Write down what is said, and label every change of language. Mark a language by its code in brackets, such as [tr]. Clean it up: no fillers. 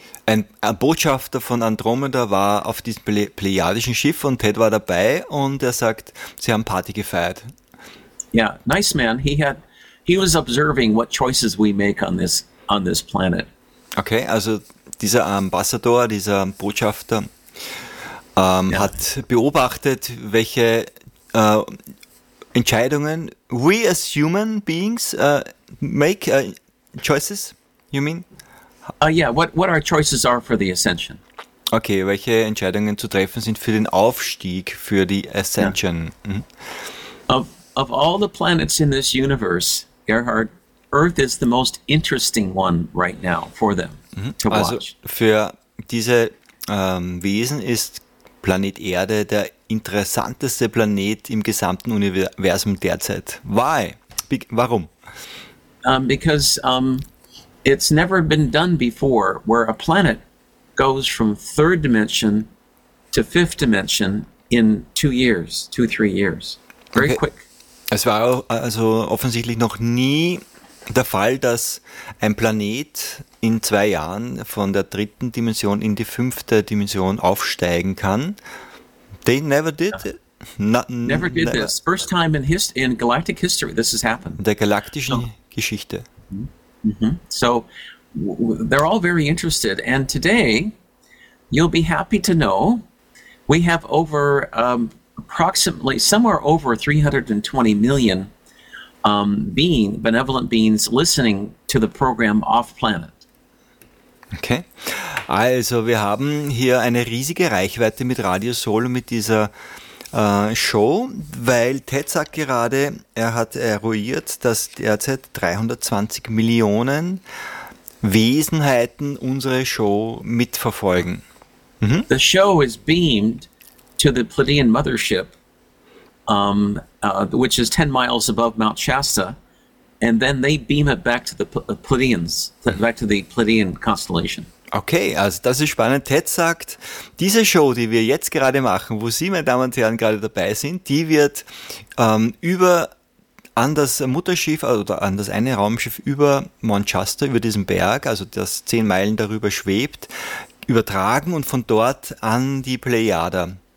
[de] Ein Botschafter von Andromeda war auf diesem Pleiadischen Schiff und Ted war dabei und er sagt, sie haben Party gefeiert. [en] Yeah, nice man. He was observing what choices we make on this planet. [de] Okay, also dieser Ambassador, dieser Botschafter hat beobachtet, welche Entscheidungen [en] we as human beings make, choices, you mean? What our choices are for the Ascension. [de] Okay, welche Entscheidungen zu treffen sind für den Aufstieg, für die Ascension. [en] Of all the planets in this universe, Gerhard, Earth is the most interesting one right now for them. [de] Also für diese Wesen ist Planet Erde der interessanteste Planet im gesamten Universum derzeit. [en] Why? [de] Warum? [en] Because it's never been done before where a planet goes from third dimension to fifth dimension in 2 years, 2-3 years. Very okay. quick. [de] Es war also offensichtlich noch nie der Fall, dass ein Planet in 2 Jahren von der dritten Dimension in die fünfte Dimension aufsteigen kann. [en] They never did it. Never did this. First time in galactic history this has happened. [de] Der galaktischen Geschichte. [en] Mm-hmm. So they're all very interested. And today you'll be happy to know we have over approximately somewhere over 320 million benevolent beings listening to the program off planet. Okay. [de] Also wir haben hier eine riesige Reichweite mit Radio Sol und mit dieser Show, weil Ted sagt gerade, er hat eruiert, dass derzeit 320 Millionen Wesenheiten unsere Show mitverfolgen. Mhm. [en] The show is beamed to the Pleiadian mothership. Which is 10 miles above Mount Shasta, and then they beam it back to the Pleiadians, back to the Pleiadian constellation. [de] Okay, also das ist spannend. Ted sagt, diese Show, die wir jetzt gerade machen, wo Sie, meine Damen und Herren, gerade dabei sind, die wird an das Mutterschiff oder an das eine Raumschiff über Mount Shasta, über diesen Berg, also das 10 Meilen darüber schwebt, übertragen und von dort an die Plejada.